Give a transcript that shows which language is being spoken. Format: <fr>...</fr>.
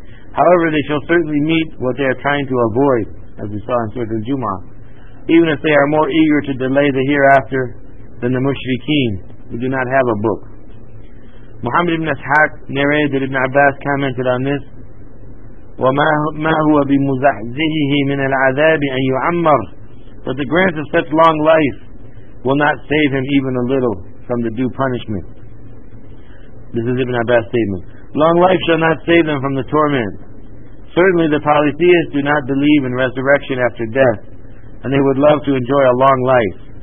<en>However, they shall certainly meet what they are trying to avoid, as we saw in Surah Al-Jumu'ah, even if they are more eager to delay the hereafter than the mushrikeen, who do not have a book. Muhammad ibn Ishaq narrated that Ibn Abbas commented on this,</en> <ar>وما هو بمزحزحه من العذاب أن يعمر.</ar> <en>But the grant of such long life will not save him even a little from the due punishment. This is Ibn Abbas' statement. Long life shall not save them from the torment. Certainly the polytheists do not believe in resurrection after death, and they would love to enjoy a long life.</en>